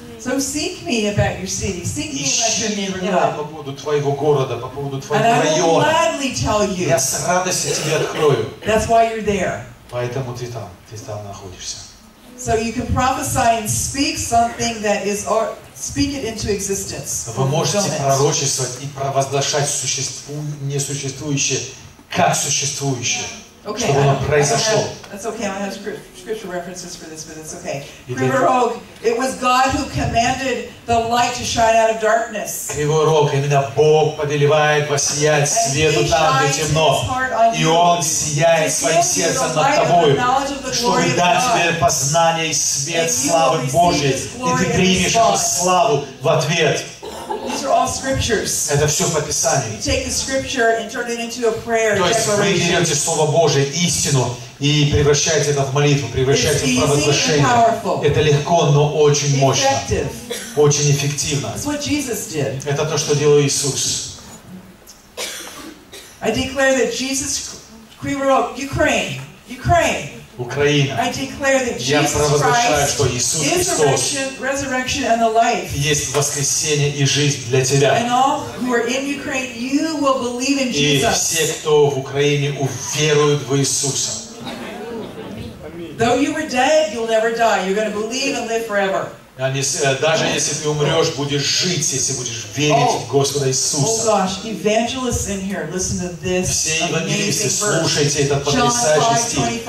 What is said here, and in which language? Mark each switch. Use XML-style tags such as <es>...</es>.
<en>So seek me about your city, seek me about your neighborhood.</en> <ru>По поводу твоего города, по поводу твоего района.</ru> <en>And I will gladly tell you.</en> <ru>Я с радостью тебе открою.</ru> <en>That's why you're there.</en> <ru>Поэтому ты там находишься.</ru> <en>So you can prophesy and speak something that is, or speak it into existence.</en> <ru>Вы можете пророчествовать и провозглашать несуществующее как существующее,</ru> <en>okay,</en> <ru>чтобы оно произошло.</ru> <en>That's okay. I have scripture references for this, but it's okay.</en> <ru>Кривой рог.</ru> <en>It was God who commanded the light to shine out of darkness.</en> <ru>Кривой рог. Именно Бог повелевает воссиять свету там, где темно. И Он сияет своим сердцем над тобою, чтобы дать тебе познание и свет славы Божьей. И ты примешь эту славу в ответ.</ru> <en>These are all scriptures.</en> <ru>Это все по Писанию.</ru> <en>You take the scripture and turn it into a prayer.</en> <ru>То есть вы берете слово Божие, истину, и превращаете это в молитву, превращаете</ru> <en>it's</en> <ru>в провозглашение. Это легко, но очень мощно.</ru> <en>Effective.</en> <ru>Очень эффективно.</ru> <en>It's what Jesus did.</en> <ru>Это то, что делал Иисус.</ru> <en>I declare that Jesus Ukraine.</en> <ru>Украина.</ru> <en>I declare that Jesus Christ</en> <ru>Я провозглашаю, что Иисус Христос</ru> <en>resurrection and the life.</en> <ru>Есть воскресение и жизнь для тебя.</ru> <en>And all who are in Ukraine, you will believe in Jesus.</en> <ru>И все, кто в Украине, уверуют в Иисуса.</ru> <en>Though you were dead, you'll never die. You're going to believe and live forever.</en> <ru>Даже если ты умрешь, будешь жить, если будешь верить в Господа Иисуса.</ru> <en>Oh gosh, evangelists in here, listen to this.</en> <ru>Все евангелисты, слушайте этот потрясающий стих.</ru>